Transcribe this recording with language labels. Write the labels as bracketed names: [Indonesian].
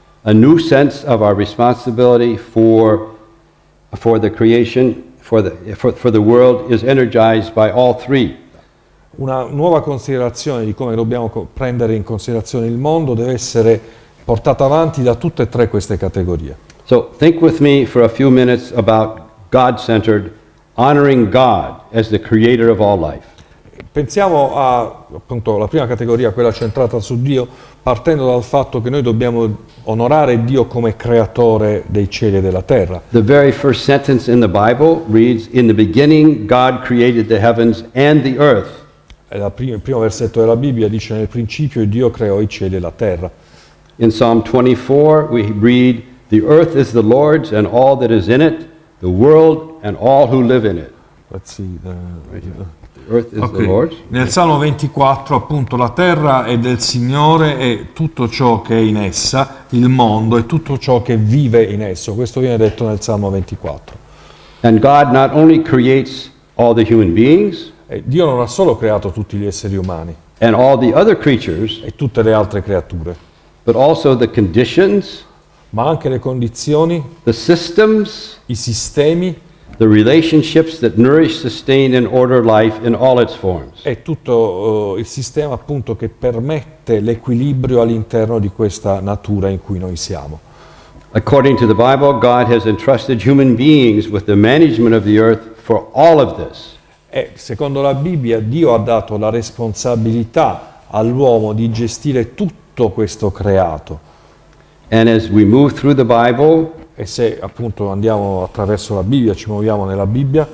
[English] A new sense of our responsibility for the creation, for the world is energized by all three. [Italian] Una nuova considerazione di come dobbiamo prendere in considerazione il mondo deve essere portata avanti da tutte e tre queste categorie. [English] So think with me for a few minutes about God-centered, honoring God as the creator of all life. [Italian] Pensiamo a, appunto, la prima categoria, quella centrata su Dio, partendo dal fatto che noi dobbiamo onorare Dio come creatore dei cieli e della terra. [English] The very first sentence in the Bible reads, "In the beginning God created the heavens and the earth." [Italian] E il primo versetto della Bibbia dice: "Nel principio Dio creò i cieli e la terra." [English] In Psalm 24 we read, "The earth is the Lord's and all that is in it, the world and all who live in it." Let's see the earth is the Lord's. [Italian] Nel Salmo 24, appunto, la terra è del Signore e tutto ciò che è in essa, il mondo e tutto ciò che vive in esso. Questo viene detto nel Salmo 24. [English] And God not only creates all the human beings, [Italian] e Dio non ha solo creato tutti gli esseri umani, [English] and all the other creatures, [Italian] e tutte le altre creature, [English] but also the conditions, [Italian] ma anche le condizioni, [English] the systems, [Italian] i sistemi, [English] the relationships that nourish, sustain and order life in all its forms. [Italian] È tutto il sistema, appunto, che permette l'equilibrio all'interno di questa natura in cui noi siamo. [English] According to the Bible, God has entrusted human beings with the management of the earth for all of this. [Italian] E secondo la Bibbia, Dio ha dato la responsabilità all'uomo di gestire tutto questo creato. [English] And as we move through the Bible, [Italian] e se appunto andiamo attraverso la Bibbia, ci muoviamo nella Bibbia,